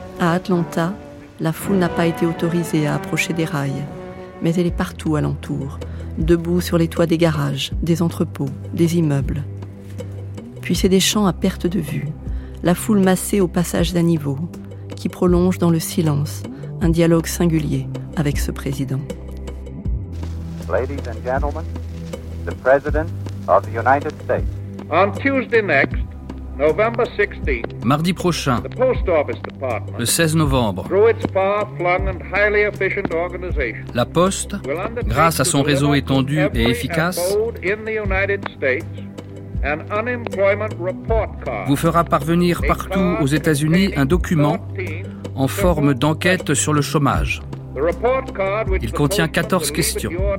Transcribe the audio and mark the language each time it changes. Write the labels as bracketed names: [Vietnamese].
[French] À Atlanta, la foule n'a pas été autorisée à approcher des rails, mais elle est partout alentour, debout sur les toits des garages, des entrepôts, des immeubles. Puis c'est des champs à perte de vue, la foule massée au passage d'un niveau, qui prolonge dans le silence un dialogue singulier avec ce président. [English] Ladies and gentlemen, the President of the United States. On Tuesday next, November 16th, [French] mardi prochain, [English] the Post Office Department, [French] le 16 novembre, [English] through its far-flung and highly efficient organization, [French] la Poste, grâce à son réseau étendu et efficace, vous fera parvenir partout aux États-Unis un document en forme d'enquête sur le chômage. Il contient 14 questions.